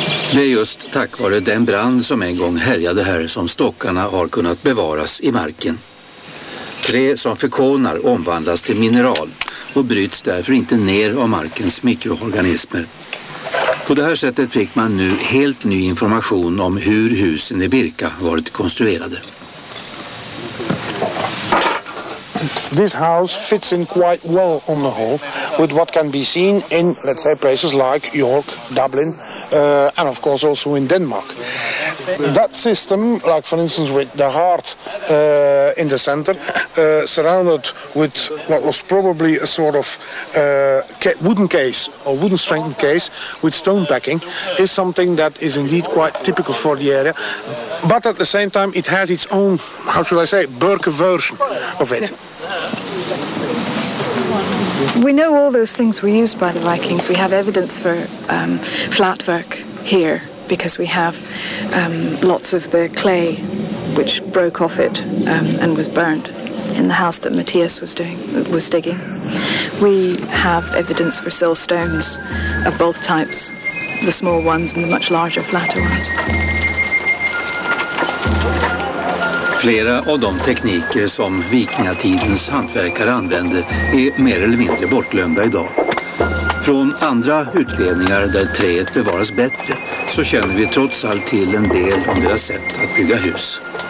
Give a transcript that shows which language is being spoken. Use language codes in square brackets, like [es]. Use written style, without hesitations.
[sv] Det är just tack vare den brand som en gång härjade här som stockarna har kunnat bevaras i marken. Trä som förkonar omvandlas till mineral och bryts därför inte ner av markens mikroorganismer. På det här sättet fick man nu helt ny information om hur husen i Birka varit konstruerade. [en] This house fits in quite well on the whole with what can be seen in, let's say, places like York, Dublin, and of course also in Denmark. That system, like for instance with the heart in the center, surrounded with what was probably a sort of wooden case or wooden strengthened case with stone backing, is something that is indeed quite typical for the area. But at the same time, it has its own, how should I say, Birka version of it. We know all those things were used by the Vikings. We have evidence for flatwork here because we have lots of the clay which broke off it and was burnt in the house that Matthias was digging. We have evidence for sill stones of both types, the small ones and the much larger flatter ones. [sv] Flera av de tekniker som vikingatidens hantverkare använde är mer eller mindre bortglömda idag. Från andra utgrävningar där träet bevaras bättre så känner vi trots allt till en del om deras sätt att bygga hus.